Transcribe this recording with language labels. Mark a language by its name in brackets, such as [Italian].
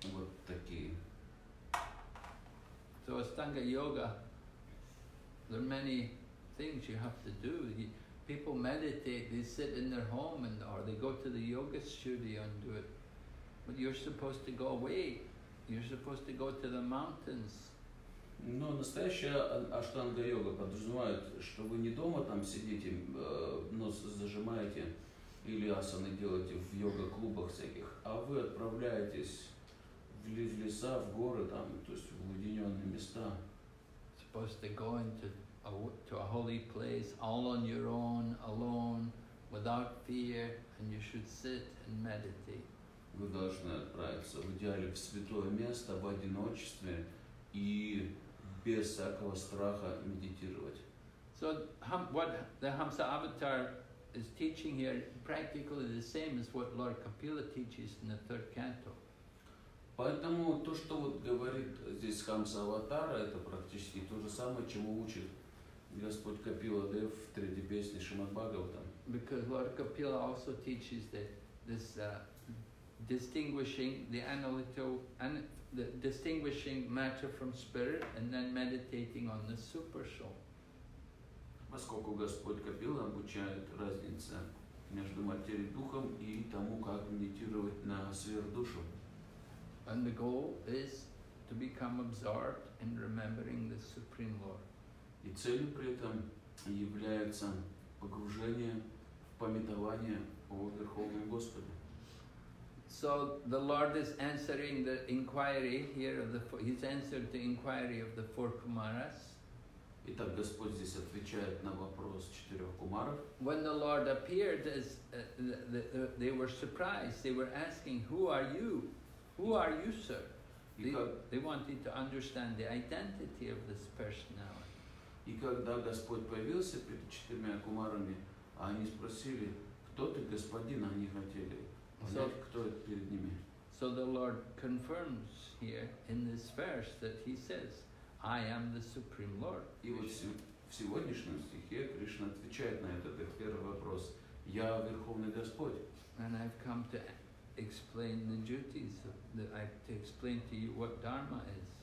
[Russian] Вот такие. [English] So Ashtanga Yoga, there are many things you have to do. People meditate, they sit in their home and or they go to the yoga studio and do it. But you're supposed to go away. You're supposed to go to the mountains. [Russian] Но настоящая Ashtanga Yoga подразумевает, что вы не дома там сидите, нос зажимаете или асаны делаете в йога-клубах всяких, а вы отправляетесь в леса, в горы, там, то есть в уединенные места. [English] Supposed to go into to a holy place all on your own, alone, without fear, and you should sit and meditate. [Russian] Вы должны отправиться в идеале в святое место, в одиночестве и без всякого страха медитировать. [English] So what the Hamsa Avatar is teaching here practically the same as what Lord Kapila teaches in the third canto. [Russian] Поэтому то, что вот говорит здесь Хамса Аватара, это практически то же самое, чему учит Господь Капила Дев в третьей песне Шримад Бхагаватам. [English] Because Lord Kapila also teaches that this distinguishing the analytical and the distinguishing matter from spirit and then meditating on the super soul. [Russian] Поскольку Господь Капила обучает разнице между материей и духом и тому, как медитировать на сверхдушу. [English] And the goal is to become absorbed in remembering the Supreme Lord. [Russian] И целью при этом является погружение в памятование о Верховном Господе. [English] So the Lord is answering the inquiry here of the He's answered the inquiry of the four Kumaras. [Russian] Итак, Господь здесь отвечает на вопрос четырех кумаров. [English] When the Lord appeared, as they were surprised, they were asking, "Who are you? Who are you, sir?" They wanted to understand the identity of this personality. [Russian] И когда Господь появился перед четырьмя кумарами, они спросили, "Кто ты, господин?" Они хотели понять, кто это перед ними. [English] So the Lord confirms here in this verse that He says, I am the Supreme Lord. [Russian] И вот в сегодняшнем стихе Кришна отвечает на этот первый вопрос. Я Верховный Господь. [English] And I've come to explain the duties, to explain to you what dharma is.